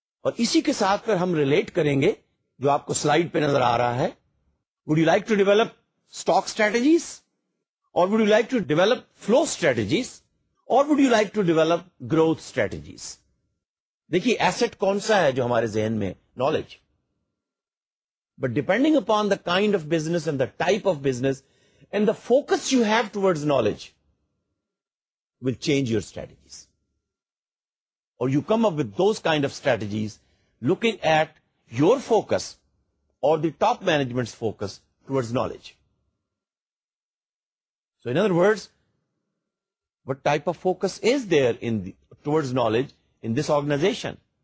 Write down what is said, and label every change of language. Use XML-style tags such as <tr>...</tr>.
<ur>اور اسی کے ساتھ پھر ہم ریلیٹ کریں گے جو آپ کو سلائیڈ پہ نظر آ رہا ہے.</ur> <en>Would you like to develop stock strategies, or would you like to develop flow strategies, or would you like to develop growth strategies?</en> <ur>دیکھیے ایسٹ کون سا ہے جو ہمارے ذہن میں</ur> <en>Knowledge, but depending upon the kind of business and the type of business and the focus you have towards knowledge will change your strategies. Or you come up with those kind of strategies looking at your focus or the top management's focus towards knowledge. So in other words, what type of focus is there in the, towards knowledge in this organization?</en>